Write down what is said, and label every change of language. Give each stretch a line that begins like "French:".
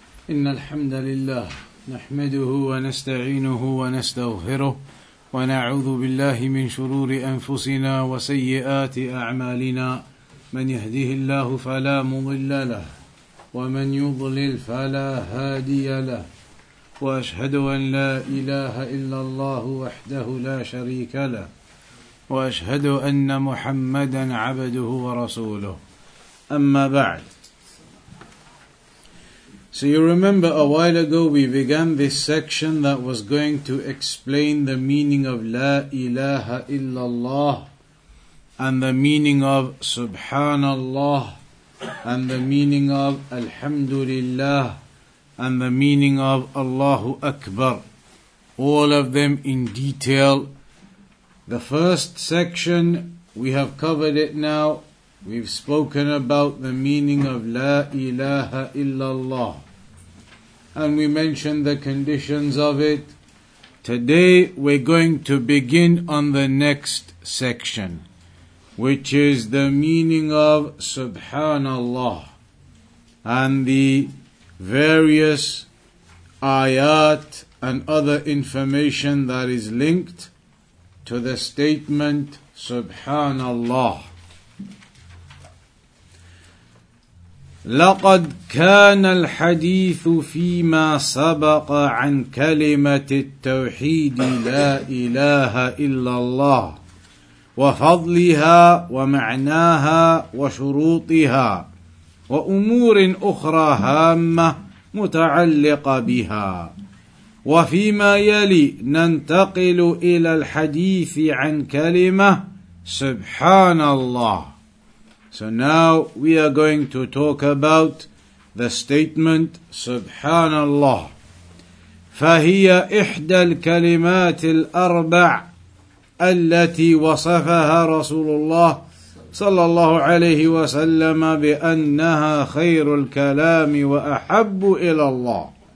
Arabic: إن الحمد لله نحمده ونستعينه ونستغفره ونعوذ بالله من شرور أنفسنا وسيئات أعمالنا من يهده الله فلا مضل له ومن يضلل فلا هادي له وأشهد أن لا إله إلا الله وحده لا شريك له وأشهد أن محمدا عبده ورسوله أما بعد.
English: So you remember a while ago we began this section that was going to explain the meaning of La ilaha illallah and the meaning of SubhanAllah and the meaning of Alhamdulillah and the meaning of Allahu Akbar, all of them in detail. The first section, we have covered it now, we've spoken about the meaning of La ilaha illallah. And we mentioned the conditions of it. Today we're going to begin on the next section, which is the meaning of SubhanAllah and the various ayat and other information that is linked to the statement SubhanAllah.
Arabic: لقد كان الحديث فيما سبق عن كلمة التوحيد لا إله إلا الله وفضلها ومعناها وشروطها وأمور أخرى هامة متعلقة بها وفيما يلي ننتقل إلى الحديث عن كلمة سبحان الله.
English: So now we are going to talk about the statement SubhanAllah.
Arabic: فَهِيَ إِحْدَى الْكَلِمَاتِ الْأَرْبَعِ أَلَّتِي وَصَفَهَا رَسُولُ اللَّهِ صَلَّى اللَّهُ عَلَيْهِ وَسَلَّمَ بِأَنَّهَا خَيْرُ الْكَلَامِ وَأَحَبُّ إِلَى اللَّهِ.